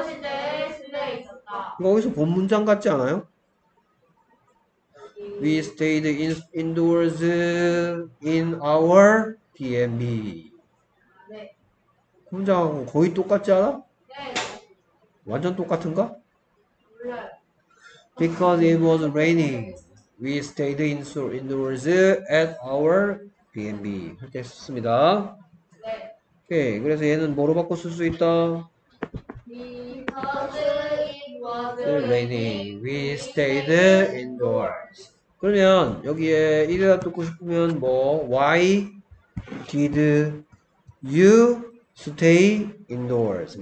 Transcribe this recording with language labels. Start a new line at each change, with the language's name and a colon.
Korean: 과거 시제에 실내에 있었다. 이거 어디서 본 문장 같지 않아요?
English: We stayed indoors in our B&B.
Korean: 네. 문장하고 거의 똑같지 않아? 네. 완전 똑같은가? 몰라요.
English: Because it was raining, we stayed indoors at our B&B.
Korean: 이렇게 했습니다. 네. 오케이. 그래서 얘는 뭐로 바꿔 쓸 수 있다?
English: Because it was raining, we stayed indoors.
Korean: 그러면 여기에 이래다 뜯고 싶으면 뭐
English: Why did you stay indoors?